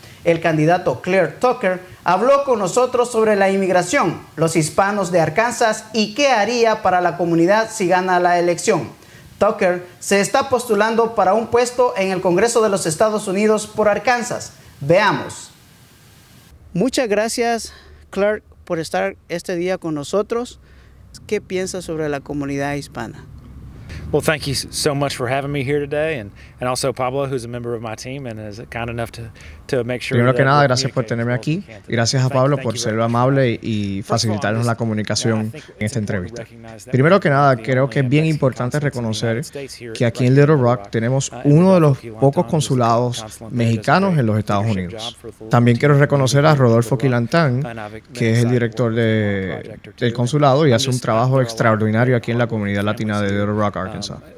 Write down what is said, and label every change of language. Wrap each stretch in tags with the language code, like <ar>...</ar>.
<es>El candidato Claire Tucker habló con nosotros sobre la inmigración, los hispanos de Arkansas y qué haría para la comunidad si gana la elección. Tucker se está postulando para un puesto en el Congreso de los Estados Unidos por Arkansas. Veamos. Muchas gracias, Clark, por estar este día con nosotros. ¿Qué piensas sobre la comunidad hispana?</es> <en>Well, thank you so much for having me here today, and also Pablo, who's a member of my team and is kind enough to make sure.</en> <es>Primero que nada, gracias por tenerme aquí. Gracias a Pablo por ser amable y facilitarnos la comunicación en esta entrevista. Primero que nada, creo que es bien importante reconocer que aquí en Little Rock tenemos uno de los pocos consulados mexicanos en los Estados Unidos. También quiero reconocer a Rodolfo Quilantán, que es el director del consulado y hace un trabajo extraordinario aquí en la comunidad latina de Little Rock, Arkansas.</es>